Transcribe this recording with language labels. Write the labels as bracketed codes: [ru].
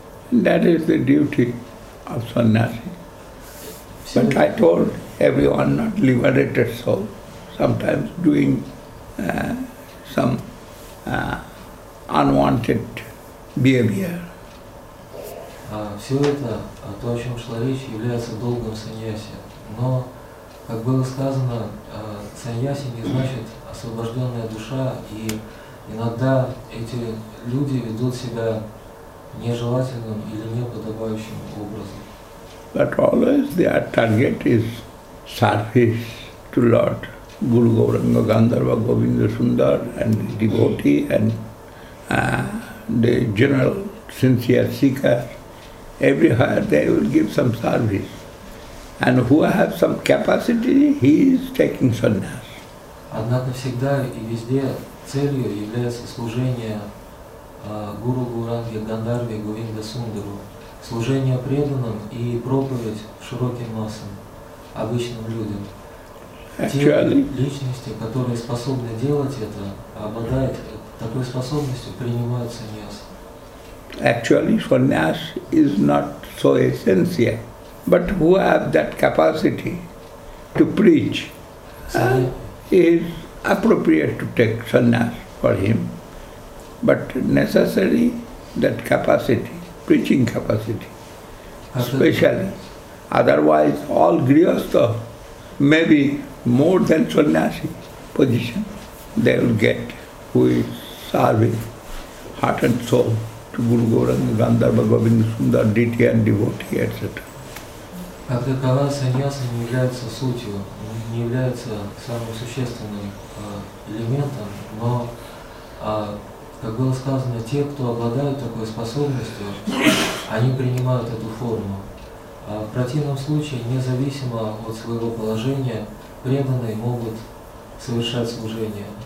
[en] That is the duty of sannyasi. But I told everyone not liberated soul, sometimes doing some unwanted behavior. [ru] Все это, то, о чем шла речь, является долгом саньяси. Но, как было сказано, саньяси не значит освобожденная душа, и иногда эти люди ведут себя нежелательным или неподобающим образом. [en] But always their target is service to Lord Guru Gauranga Gandharva Govinda Sundar and the devotee and the general sincere seeker. Everywhere they will give some service. And who has some capacity, he is taking sannyas. [ru] Однако всегда и везде целью является служение Гуру Гауранге, Гандхарве, Говинда Сундару, служение преданным и проповедь широким массам, обычным людям. [en] Actually, [ru] те личности, которые способны делать это, обладают такой способностью, принимают саньяс. [en] Actually, sannyas is not so essential, but who have that capacity to preach? Is appropriate to take sannyas for him, but necessary that capacity, preaching capacity, especially. Otherwise, all grihastha may be more than sannyasi position. They will get who is serving heart and soul to Guru Gauranga, Gandharva, Govinda, Sundar, deity and devotee, etc. [ru] Как такова, саньяса не является сутью, не является самым существенным элементом, но, как было сказано, те, кто обладают такой способностью, они принимают эту форму. В противном случае, независимо от своего положения, преданные могут совершать служение.